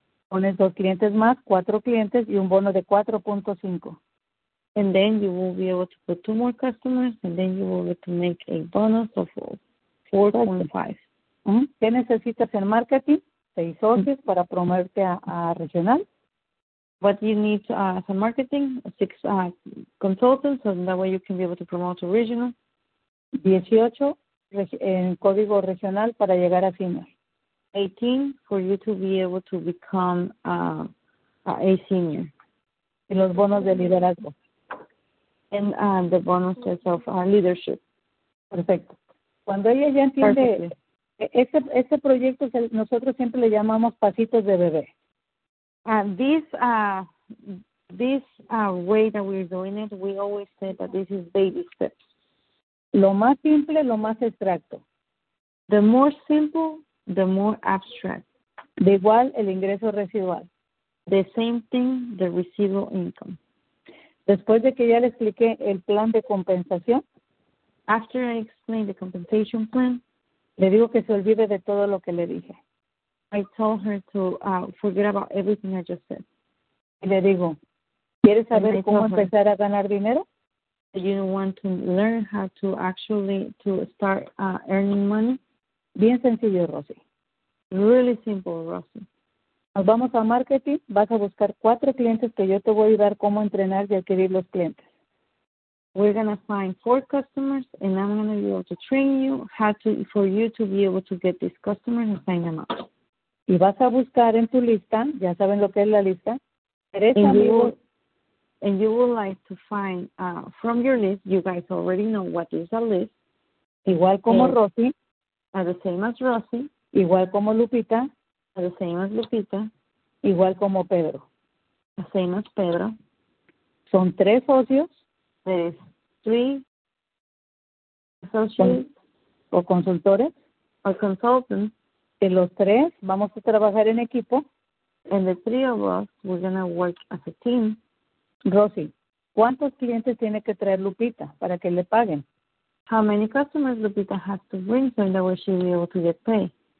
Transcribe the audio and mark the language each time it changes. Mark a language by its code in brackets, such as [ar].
[es] Pones dos clientes más, cuatro clientes y un bono de 4.5. [en] And then you will be able to put two more customers and then you will be able to make a bonus of 4.5. [es] ¿Qué necesitas en marketing? 6 socios para promoverte a regional. [en] What you need for marketing? 6 consultants, and that way you can be able to promote to regional. [es] 18 en código regional para llegar a senior. [en] 18 for you to be able to become a senior. [es] Y los bonos de liderazgo. [en] And the bonuses of leadership. [es] Perfecto. Cuando ella ya entiende, este proyecto nosotros siempre le llamamos pasitos de bebé. [en] This way that we're doing it, we always say that this is baby steps. [es] Lo más simple, lo más abstracto. [en] The more simple, the more abstract. [es] De igual, el ingreso residual. [en] The same thing, the residual income. [es] Después de que ya le expliqué el plan de compensación. [en] After I explained the compensation plan. [es] Le digo que se olvide de todo lo que le dije. [en] I told her to forget about everything I just said. [es] Y le digo, ¿quieres saber cómo empezar a ganar dinero? [en] You want to learn how to actually to start earning money? [es] Bien sencillo, Rosy. [en] Really simple, Rosy. [es] Nos vamos a marketing, vas a buscar 4 clientes que yo te voy a ayudar cómo entrenar y adquirir los clientes. [en] We're going to find 4 customers and I'm going to be able to train you how to, for you to be able to get these customers and sign them up. [es] Y vas a buscar en tu lista, ya saben lo que es la lista, 3 amigos. [en] And you would like to find from your list, you guys already know what is a list. [es] Igual como Rosy. [en] The same as Rosy. [es] Igual como Lupita. [en] The same as Lupita. [es] Igual como Pedro. [en] The same as Pedro. [es] Son 3 socios. [en] There's 3 associates. [es] O consultores. [en] Or consultants. [es] Y los 3 vamos a trabajar en equipo. [en] And the 3 of us, we're going to work as a team. [es] Rosy, ¿cuántos clientes tiene que traer Lupita para que le paguen? [en] How many customers Lupita has to bring so that way she'll be able to get paid?